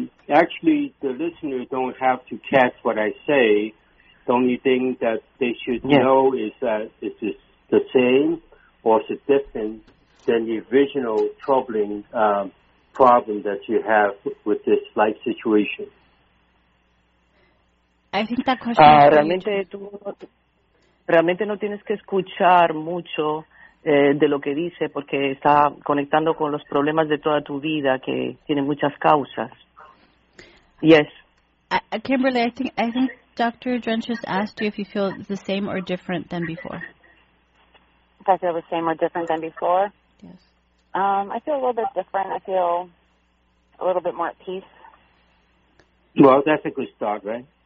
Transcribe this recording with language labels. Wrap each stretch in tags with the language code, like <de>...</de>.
<en>Actually, the listeners don't have to catch what I say. The only thing that they should yes. know is that it is the same or it's different than the original troubling problem that you have with this life situation.</en> <es>Realmente tú realmente no tienes que escuchar mucho de lo que dice porque está conectando con los problemas de toda tu vida que tienen muchas causas.</es> <en>Yes. Kimberly, I think Dr. Drench just asked you if you feel the same or different than before. If I feel the same or different than before? Yes. I feel a little bit different. I feel a little bit more at peace. Well, that's a good start, right?</en>